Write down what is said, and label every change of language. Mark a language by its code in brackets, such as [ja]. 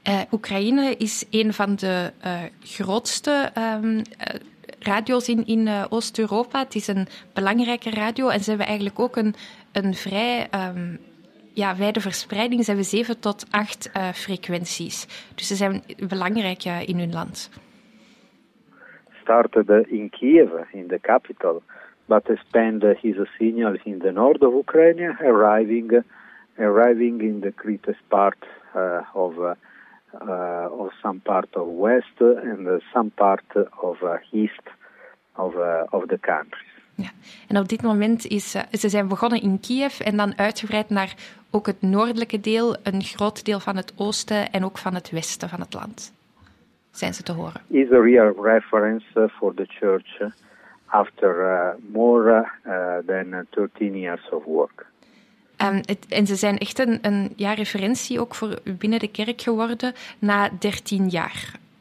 [nl] Oekraïne is een van de grootste radio's in Oost-Europa. Het is een belangrijke radio en ze hebben eigenlijk ook een vrij wijde verspreiding. Ze hebben 7 tot 8 frequenties. Dus ze zijn belangrijk in hun land. [en] Started in Kiev, in the capital, but spent his signal in the north of Ukraine, arriving in the greatest part of some part of west and some part of east of the country. [nl] Ja. En op dit moment is ze zijn begonnen in Kiev en dan uitgebreid naar ook het noordelijke deel, een groot deel van het oosten en ook van het westen van het land. Zijn ze te horen? [en] Is a real reference for the church after more than 13 years of work. [nl] En ze zijn echt een referentie ook voor binnen de kerk geworden na 13 jaar.